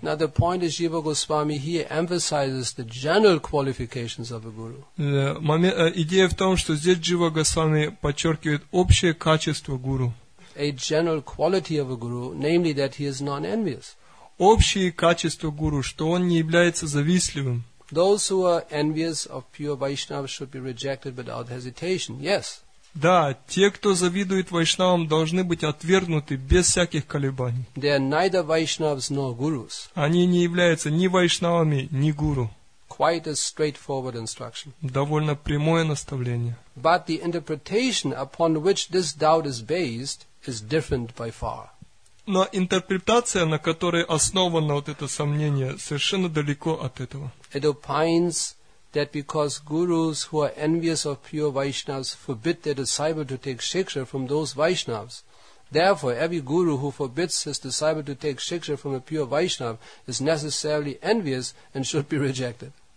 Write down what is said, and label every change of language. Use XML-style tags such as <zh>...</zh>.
<en>Now the point is, Jiva Goswami here emphasizes the general qualifications of a guru.</en> <ru>Идея в том, что здесь Jiva Goswami подчеркивает общее качество гуру.</ru> <en>A general quality of a guru, namely that he is non-envious.</en> <ru>Общие качества гуру, что он не является завистливым.</ru> <en>Those who are envious of pure Vaishnava should be rejected without hesitation. Yes.</en> <ru>Да, те, кто завидует вайшнавам, должны быть отвергнуты без всяких колебаний.</ru> <en>They are neither Vaishnavas nor gurus.</en> <ru>Они не являются ни вайшнавами, ни гуру.</ru> <en>Quite a straightforward instruction.</en> <ru>Довольно прямое наставление.</ru> <en>but the interpretation upon which this doubt is based is different by far.</en> <ru>Но интерпретация, на которой основано вот это сомнение, совершенно далеко от этого.</ru> <en>It opines that because gurus who are envious of pure Vaishnavas forbid their disciple to take shiksha from those Vaishnavas, therefore every guru who forbids his disciple to take shiksha from a pure Vaishnava is necessarily envious and should be rejected.</en>